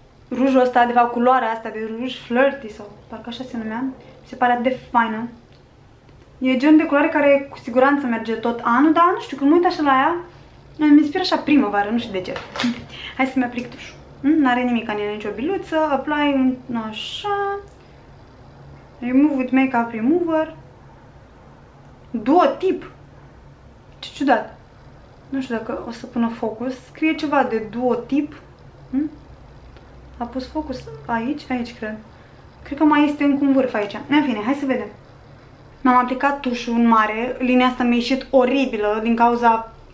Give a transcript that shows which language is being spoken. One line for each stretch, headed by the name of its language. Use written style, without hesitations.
Romanian: Rujul ăsta, de fapt, culoarea asta de ruj, flirty sau parcă așa se numea, se pare de faină. E gen de culoare care cu siguranță merge tot anul, dar nu știu, când mă uit așa la ea, îmi inspiră așa primăvară, nu știu de ce. Hai să-mi aplic tușul. N-are nimic în el, nicio biluță, apply așa.
English: Remove with makeup remover.
Romanian: Duotip. Ce ciudat. Nu știu dacă o să pună focus. Scrie ceva de duotip. A pus focus aici? Aici, cred. Cred că mai este încă un vârf aici. În fine, hai să vedem. M-am aplicat tușul în mare. Linia asta mi-a ieșit oribilă din cauza...